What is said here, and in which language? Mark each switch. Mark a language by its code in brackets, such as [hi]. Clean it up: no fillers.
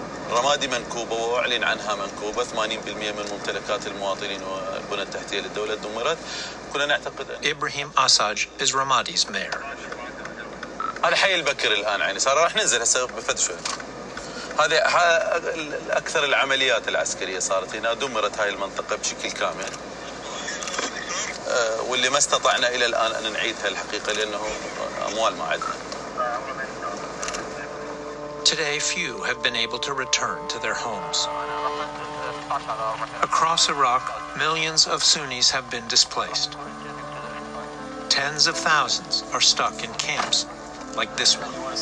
[ar] رمادي منكوبة وأعلن عنها منكوبة 80% من ممتلكات المواطنين والبنى التحتية للدولة دمرت كنا نعتقد أن [en] إبراهيم أساج is Ramadi's mayor. [ar] هذا حي البكر الآن يعني صار راح ننزل هسه بفتشوا هذه أكثر العمليات العسكرية صارت هنا دمرت هاي المنطقة بشكل كامل واللي ما استطعنا إلى الآن أن نعيدها الحقيقة لأنه أموال ما عندنا. [en] Today, few have been able to return to their homes. Across Iraq, millions of Sunnis have been displaced. Tens of thousands are stuck in camps like this one.